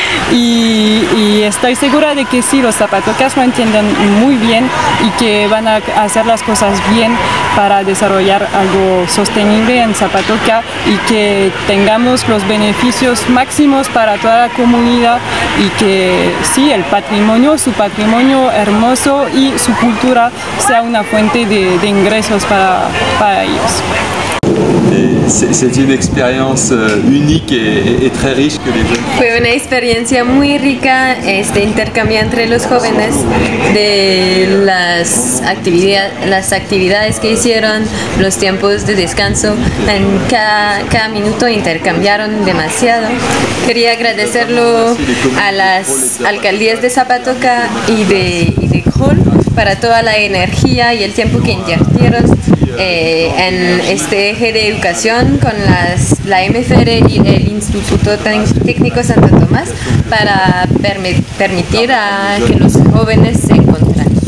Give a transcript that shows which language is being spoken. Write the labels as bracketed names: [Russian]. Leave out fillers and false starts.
[Spanish] Y estoy segura de que sí, los zapatocas lo entienden muy bien y que van a hacer las cosas bien para desarrollar algo sostenible en Zapatoca, y que tengamos los beneficios máximos para toda la comunidad, y que sí, el patrimonio, su patrimonio hermoso y su cultura sea una fuente de ingresos para ellos. [French] C'est une expérience unique et très riche que les jeunes. [Spanish] Fue una experiencia muy rica este intercambio entre los jóvenes, de las actividades que hicieron, los tiempos de descanso, en cada minuto intercambiaron demasiado. Quería agradecerlo a las alcaldías de Zapatoca y de Crol para toda la energía y el tiempo que invirtieron en este eje de educación con la MFR y el Instituto Técnico Santo Tomás, para permitir a que los jóvenes se encuentren.